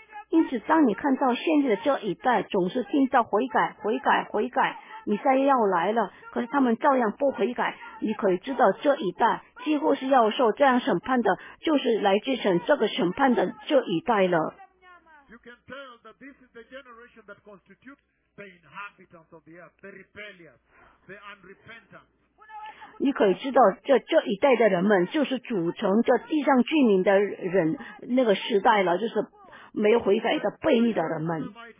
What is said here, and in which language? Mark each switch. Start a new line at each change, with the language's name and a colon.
Chinese: 因此当你看到现在的这一代总是听到悔改悔改悔改，弥赛亚要来了，可是他们照样不悔改，你可以知道这一代几乎是要受这样审判的，就是来自神这个审判的这一代了。
English: You can tell that this is the generation that constitutes the inhabitants of the earth, the rebellious, the unrepentant.
Chinese: 你可以知道这一代的人们就是组成这地上居民的人那个时代了，就是没悔改的悖逆的人们。